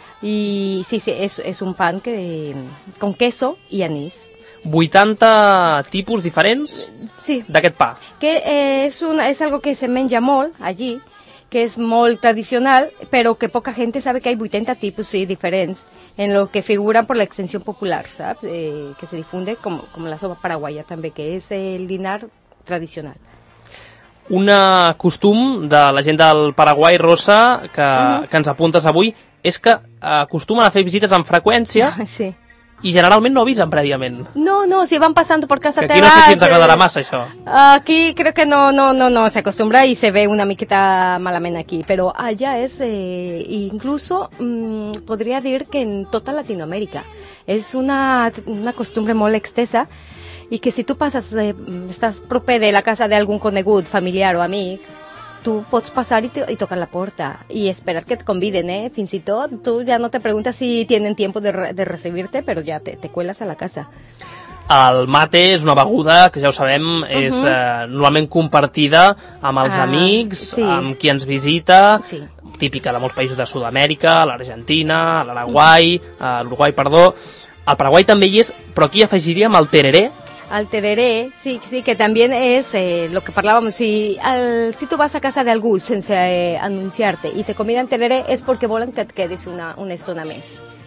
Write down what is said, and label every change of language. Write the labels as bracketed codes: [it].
[es] I sí, és un pan que con queso y anís. [ca] 80 tipus diferents sí. D'aquest pa. Que és algo que se menja molt allí, que és molt tradicional, però que poca gent sabe que hi ha 80 tipus sí, diferents. [es] En lo que figuran por la extensión popular, ¿sabes? Que se difunde como la sopa paraguaya también, que es el dinar tradicional. [ca] Una costum de la gent del Paraguai, Rosa, que ens apuntes avui, és que acostumen a fer visites amb freqüència sí. I generalment no avisen prèviament. [es] No, si van pasando por casa [ca] teva... Aquí no sé si ens agradarà massa, això. [es] Aquí creo que no, se acostumbra y se ve [ca] una miqueta malament aquí, [es] pero allá es, incluso podría decir que en toda Latinoamérica es una costumbre molt extensa y que si tú pasas, estás prope de la casa de algún conegut, familiar o amic, tú pots pasar y tocar la puerta y esperar que te conviden, ¿eh? Fins i tot, tú ya no te preguntas si tienen tiempo de recibirte, pero ya te cuelas a la casa. [ca] El mate és una beguda que, ja ho sabem, és normalment compartida amb els amics, sí. Amb qui ens visita, sí. Típica de molts països de Sud-amèrica, l'Argentina, l'Araguai, l'Uruguai, perdó. El Paraguai també hi és, però aquí afegiríem el tereré. [es] Al tereré, sí, que también es lo que parlábamos. Si tú vas a casa de algú sense anunciarte y te convidan tereré, es porque volen que te quedes [ca] una estona més.